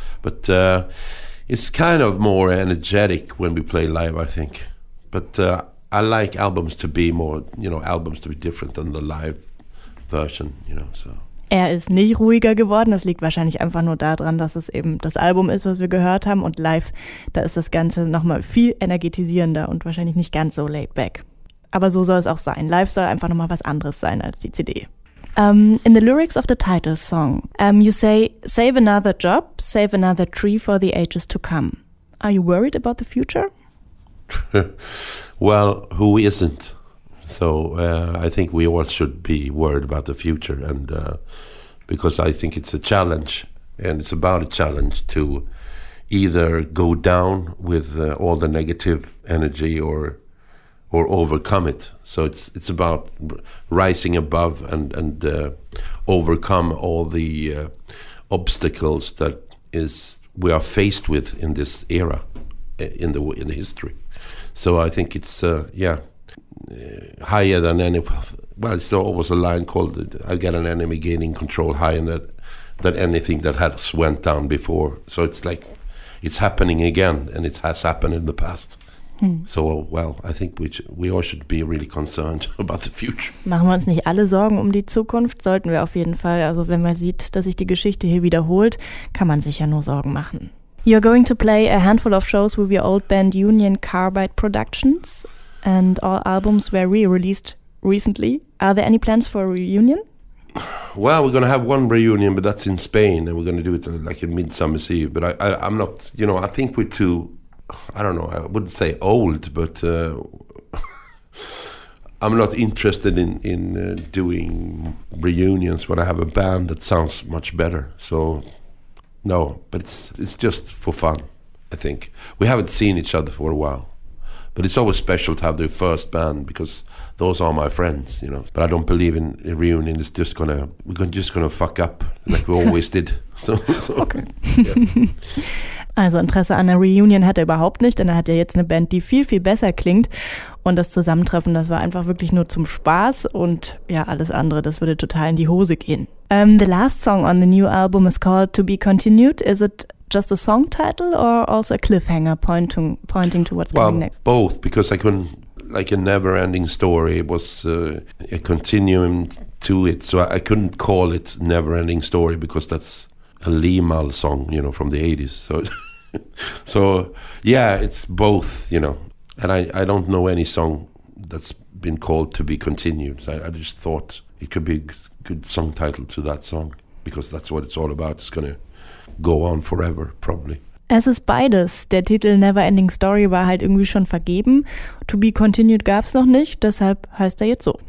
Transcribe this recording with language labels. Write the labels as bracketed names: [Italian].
[English] But it's kind of more energetic when we play live, I think. But I like albums to be more, you know, albums to be different than the live version, you know, so. [German] Er ist nicht ruhiger geworden. Das liegt wahrscheinlich einfach nur daran, dass es eben das Album ist, was wir gehört haben. Und live, da ist das Ganze nochmal viel energetisierender und wahrscheinlich nicht ganz so laid back. Aber so soll es auch sein. Live soll einfach nochmal was anderes sein als die CD. [English] In the lyrics of the title song, you say, save another job, save another tree for the ages to come. Are you worried about the future? Well, who isn't? So I think we all should be worried about the future, and because I think it's a challenge, and it's about a challenge to either go down with all the negative energy or overcome it. So it's about rising above and overcome all the obstacles that we are faced with in this era in the history. So I think it's higher than any, well, it's always a line called I get an enemy gaining control higher than anything that has went down before. So it's like it's happening again, and it has happened in the past. So, well, I think we all should be really concerned about the future. [German] Machen wir uns nicht alle Sorgen um die Zukunft? Sollten wir auf jeden Fall. Also wenn man sieht, dass sich die Geschichte hier wiederholt, kann man sich ja nur Sorgen machen. [English] You're going to play a handful of shows with your old band Union Carbide Productions, and all albums were re-released recently. Are there any plans for a reunion? Well, we're going to have one reunion, but that's in Spain, and we're going to do it like in Midsummer's Eve. But I'm not, you know, I think we're too, I don't know, I wouldn't say old, but I'm not interested in doing reunions when I have a band that sounds much better. So, no, but it's just for fun, I think. We haven't seen each other for a while. But it's always special to have the first band because those are my friends, you know. But I don't believe in a reunion. It's just gonna, we're just gonna fuck up like we always did. So, okay. Yeah. [German] Also Interesse an einer Reunion hat er überhaupt nicht, denn er hat ja jetzt eine Band, die viel, viel besser klingt. Und das Zusammentreffen, das war einfach wirklich nur zum Spaß. Und ja, alles andere, das würde total in die Hose gehen. [English] The last song on the new album is called To Be Continued. Is it just a song title or also a cliffhanger pointing to what's coming next? Well, both, because I couldn't, like a never-ending story, it was a continuum to it. So I couldn't call it never-ending story because that's a Limahl song, you know, from the 80s. So, yeah, it's both, you know. And I don't know any song that's been called To Be Continued. I just thought it could be a good song title to that song because that's what it's all about. It's going to go on forever, probably. [German] Es ist beides. Der Titel Never Ending Story war halt irgendwie schon vergeben. To Be Continued gab's noch nicht, deshalb heißt er jetzt so.